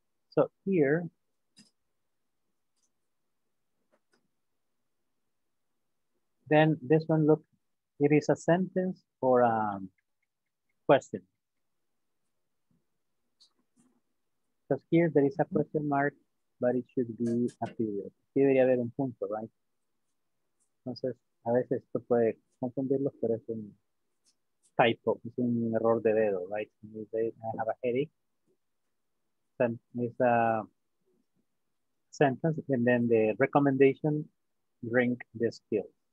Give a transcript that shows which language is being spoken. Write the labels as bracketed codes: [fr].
[en] So here, then this one, look, it is a sentence or a question. Because here there is a question mark, but it should be a period. [es] Aquí debería haber un punto, right? Entonces, a veces esto puede confundirlos, pero es un typo, es un error de dedo, right? [en] You say, I have a headache. Then it's a sentence, and then the recommendation, drink this pill.